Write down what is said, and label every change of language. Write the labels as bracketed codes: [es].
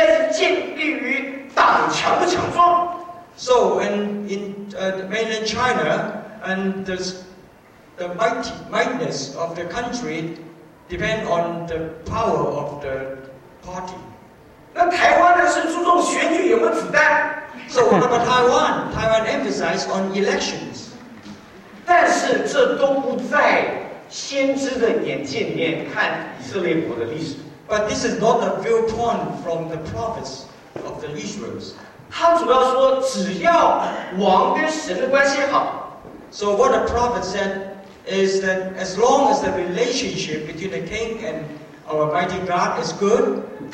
[zh] 在中国大陆,它的兴衰是建立于党强不强壮。 [en] So, and in mainland China, and the mightiness of the country depend on the power of the party. [zh] 那台湾呢,是注重选举有没有子弹。 [en] So, what about Taiwan? Taiwan emphasized on elections. [zh] 但是这都不在先知的眼界里面看以色列国的历史。 [en] But this is not a viewpoint from the prophets of the Israelites. [zh] 他主要说只要王跟神的关系好, [en] So what the prophet said is that as long as the relationship between the king and our mighty God is good,